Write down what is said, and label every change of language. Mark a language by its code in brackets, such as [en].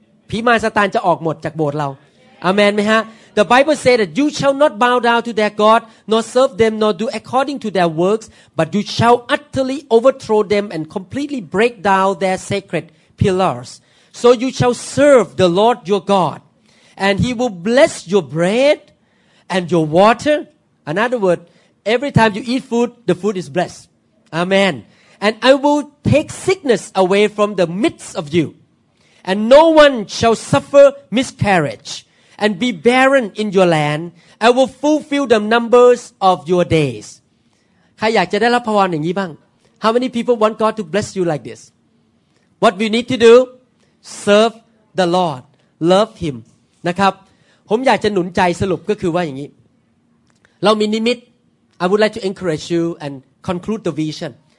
[th] ผีมารซาตานจะออกหมดจากโบสถ์เราอาเมนไหมฮะ [en] The Bible says that you shall not bow down to their god nor serve them nor do according to their works but you shall utterly overthrow them and completely break down their sacred pillars so you shall serve the Lord your God and he will bless your bread and your water in other wordsEvery time you eat food, the food is blessed. Amen. And I will take sickness away from the midst of you. And no one shall suffer miscarriage and be barren in your land. I will fulfill the numbers of your days. [th] ใครอยากจะได้รับพรอย่างนี้บ้าง [en] How many people want God to bless you like this? What we need to do? Serve the Lord. Love Him. [th] นะครับผมอยากจะหนุนใจสรุปก็คือว่าอย่างนี้เรามีนิมิต [en] I would like to encourage you and conclude the vision.